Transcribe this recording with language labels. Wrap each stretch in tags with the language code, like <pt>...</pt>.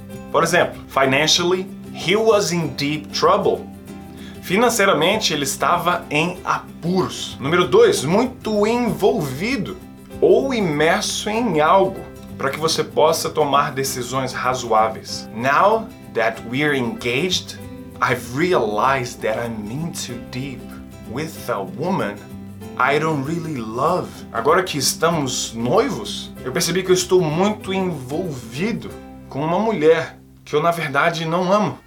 <en>Por exemplo, financially, he was in deep trouble.</en> <pt>Financeiramente, ele estava em apuros. Número 2, muito envolvido ou imerso em algo, para que você possa tomar decisões razoáveis.</pt> <en>Now that we're engaged, I've realized that I'm in too deep with a woman I don't really love.</en> <pt>Agora que estamos noivos, eu percebi que eu estou muito envolvido com uma mulher que eu, na verdade, não amo.</pt>